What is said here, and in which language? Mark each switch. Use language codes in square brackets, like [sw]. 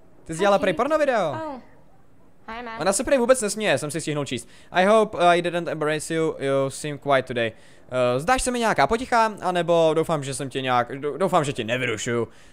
[cs] Ty jsi dělala prej porno video. [en] Hi, [cs] ona se prej vůbec nesměje, jsem si stihnul číst. [en] I hope I didn't embarrass you, you seem quiet today. [cs] Zdáš se mi nějaká potichá, anebo doufám, že jsem tě nějak... Doufám, že tě nevyrušuju.